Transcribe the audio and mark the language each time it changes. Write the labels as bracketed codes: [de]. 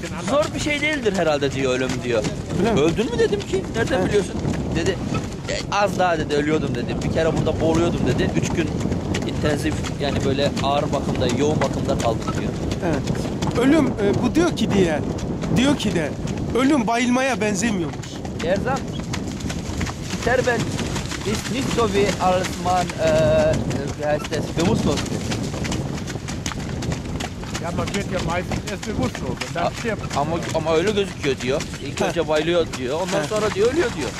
[tr] Zor bir şey değildir herhalde diyor ölüm diyor. Öldün mü dedim ki? Nereden evet. biliyorsun? Dedi az daha dedi ölüyordum dedi. Bir kere burada boğuluyordum dedi. Üç gün intensif yani böyle ağır bakımda, yoğun bakımda kaldım diyor. Evet. Ölüm bu diyor ki diye. Diyor ki de ölüm bayılmaya benzemiyormuş. Erzak. [de] Sterben ist nicht so wie als man, wie heißt das, bewusstlos ist. Ja, man wird ja meistens erst bewusstlos und dann stirbt. [tr] Ama öyle gözüküyor diyor. İlk önce bayılıyor diyor, ondan sonra diyor ölüyor diyor.